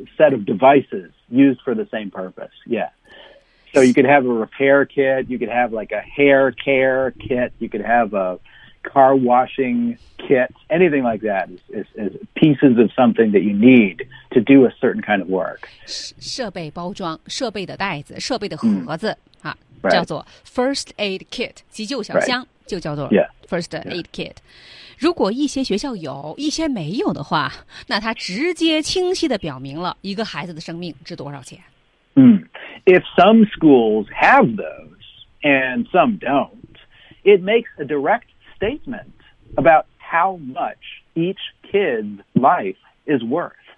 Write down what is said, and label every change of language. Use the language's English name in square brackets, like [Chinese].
[English] A set of devices used for the same purpose. Yeah. So you could have a repair kit. You could have like a hair care kit. You could have a car washing kit. Anything like that is pieces of something that you need to do a certain kind of work. [Chinese] 设备包装，设备的袋子，设备的盒子、啊 [English] right. [Chinese] 叫做 first aid kit， 急救小箱。 [English] Right. [Chinese] 就叫做 first aid kit、 [English] yeah. [Chinese] 如果一些学校有一些没有的话那它直接清晰地表明了一个孩子的生命值多少钱、 mm. [English] If some schools have those and some don't it makes a direct statement about how much each kid's life is worth